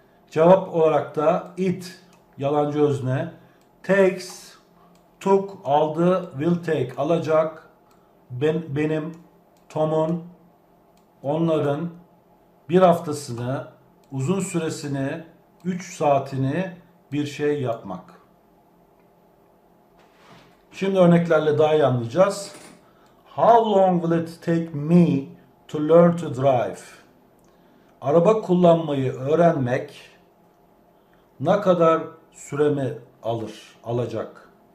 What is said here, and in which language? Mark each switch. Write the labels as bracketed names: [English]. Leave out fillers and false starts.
[Turkish] Cevap olarak da it, yalancı özne, takes, took, aldı, will take, alacak, benim, Tom'un, onların bir haftasını, uzun süresini, 3 saatini bir şey yapmak. Şimdi örneklerle daha iyi anlayacağız. [English] How long will it take me to learn to drive? [Turkish] Araba kullanmayı öğrenmek ne kadar süremi alır, alacak?